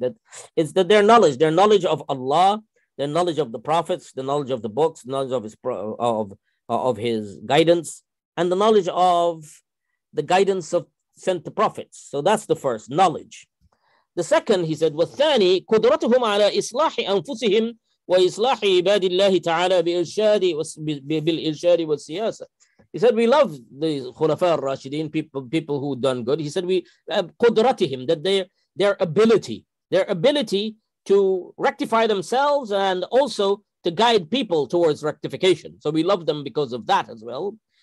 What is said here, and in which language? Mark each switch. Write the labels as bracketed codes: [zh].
[en] That is that their knowledge of Allah, their knowledge of the prophets, the knowledge of the books, knowledge of his guidance, and the knowledge of the guidance of sent the prophets. So that's the first, knowledge. The second, he said, [ar] وَالثَّانِي قُدْرَتُهُمْ عَلَى إِصْلَاحِ أَنفُسِهِمْ وَإِصْلَاحِ عِبَادِ اللَّهِ تَعَالَى بِالْإِرْشَادِ وَالسِّيَاسَةِ. [en] He said, we love the Khulafa al-Rashideen, people who done good. He said, we qudratihim, that their ability to rectify themselves and also to guide people towards rectification. So we love them because of that as well.